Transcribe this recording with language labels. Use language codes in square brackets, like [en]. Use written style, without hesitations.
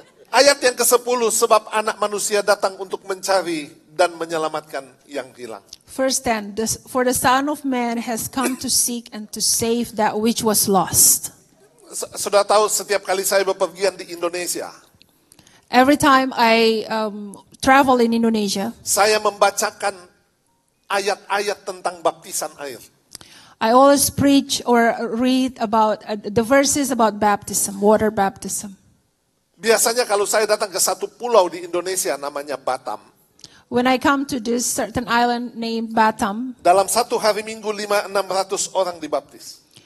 [id] Ayat yang ke-10, sebab anak manusia datang untuk mencari dan menyelamatkan yang hilang. [en] First 10, for the Son of Man has come to seek and to save that which was lost. [id] Sudah tahu setiap kali saya bepergian di Indonesia. [en] Every time I travel in Indonesia. [id] Saya membacakan ayat-ayat tentang baptisan air. [en] I always preach or read about the verses about baptism, water baptism. [id] Biasanya kalau saya datang ke satu pulau di Indonesia namanya Batam. [en] When I come to this certain island named Batam. [id] Dalam satu hari Minggu 500-600 orang dibaptis.